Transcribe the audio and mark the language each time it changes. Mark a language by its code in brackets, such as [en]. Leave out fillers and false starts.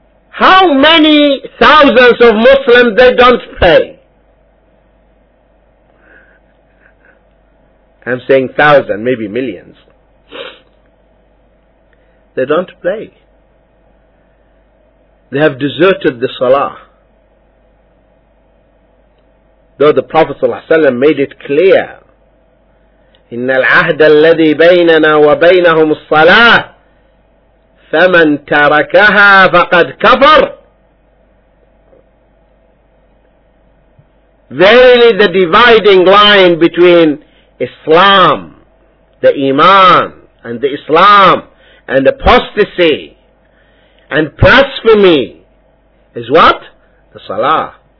[en] How many thousands of Muslims they don't pray? I'm saying thousands, maybe millions. They don't pray. They have deserted the Salah. Though the Prophet ﷺ made it clear, [ar] إِنَّ الْعَهْدَ الَّذِي بَيْنَنَا وَبَيْنَهُمُ الصَّلَاةِ فَمَنْ تَرَكَهَا فَقَدْ كَفَرْ. [en] Verily the dividing line between Islam, the Iman, and the Islam, and apostasy, and blasphemy, is what? The Salah.